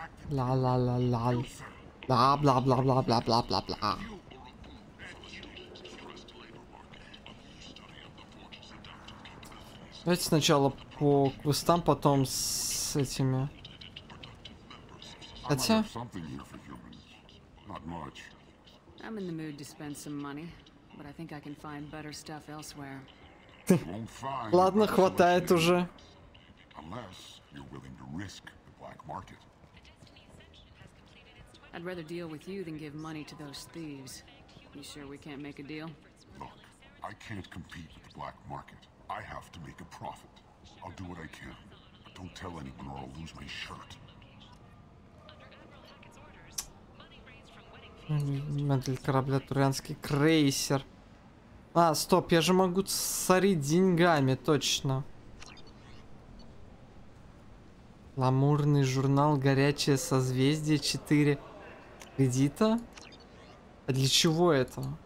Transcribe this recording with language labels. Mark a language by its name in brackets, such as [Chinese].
[Russian] La la la la la bla bla bla bla bla bla bla bla. Давайте сначала по квестам, потом с этими. Хотя... [English] I'm in the mood to spend some money, but I think I can find better stuff elsewhere. [Russian] Ладно, хватает уже. [English] Unless you're willing to risk the black market. I'd rather deal with you than give money to those thieves. You sure we can't make a deal? Look, I can't compete with the black market. I have to make a profit. I'll do what I can, but don't tell anyone or I'll lose my shirt. [Russian] Медаль корабля, турианский крейсер. А, стоп, я же могу царить деньгами, точно. Ламурный журнал, горячее созвездие, 4 кредита. А для чего это?